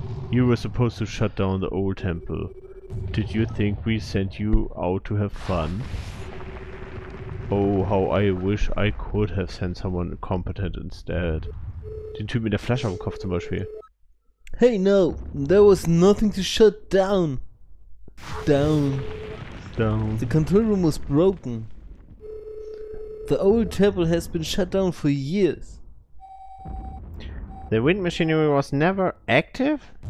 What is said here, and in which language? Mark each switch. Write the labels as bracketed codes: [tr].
[en] You were supposed to shut down the old temple. Did you think we sent you out to have fun? Oh, how I wish I could have sent someone competent instead. [de] Den Typ mit der Flasche am Kopf zum Beispiel. [en] Hey, no, there was nothing to shut down. Down. Down. The control room was broken. The old temple has been shut down for years. The wind machinery was never active?